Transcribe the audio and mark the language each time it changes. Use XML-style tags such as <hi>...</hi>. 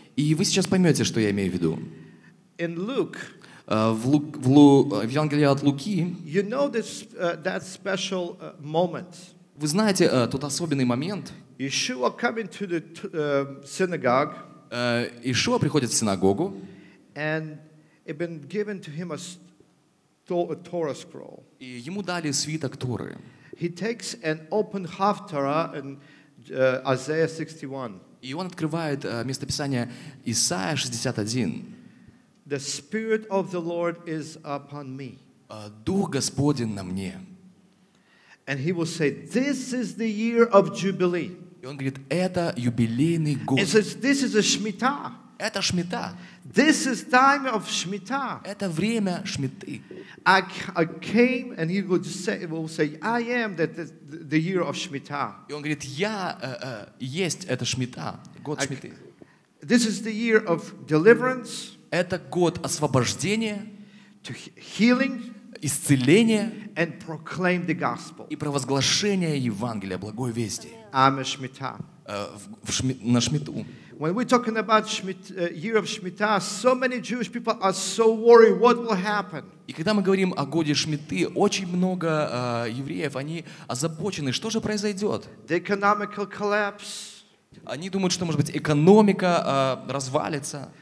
<ru>И вы сейчас поймете, что я имею в виду.</ru> <en>In Luke,</en> <ru>в Евангелии от Луки,</ru> <en>you know this, that special moment.</en> <ru>Вы знаете тот особенный момент.</ru> <en>Yeshua coming to the synagogue.</en> <ru>Иешуа приходит в синагогу.</ru> <en>And it been given to him a Torah scroll.</en> <ru>И ему дали свиток Торы.</ru> <en>He takes an open half Torah in Isaiah 61.</en> <ru>И он открывает местописание Исаия 61.</ru> <en>The Spirit of the Lord is upon me.</en> <ru>Дух Господень на мне.</ru> <en>And he will say, this is the year of Jubilee.</en> <ru>И он говорит, это юбилейный год.</ru> <en>He says, this is a Shemitah.</en> <ru>Это Шмита.</ru> <en>This is time of Shemitah.</en> <ru>Это время Шмиты.</ru> <en>I came and he will say, I am the year of Shemitah.</en> <ru>И он говорит, я есть это Шмита, год Шмиты.</ru> <en>This is the year of deliverance.</en> <ru>Это год освобождения,</ru> <en>to healing,</en> <ru>исцеления</ru> <en>and proclaim the gospel.</en> <ru>И провозглашение Евангелия, благой вести.</ru> <en>I'm a Shemitah.</en> <ru>На Шмиту.</ru> <en>When we're talking about year of Shemitah, so many Jewish people are so worried what will happen.</en> <ru>И когда мы говорим о годе Шмиты, очень много евреев, они озабочены, что же произойдет?</ru> <en>The economical collapse.</en> <ru>Они думают, что, может быть, экономика развалится.</ru>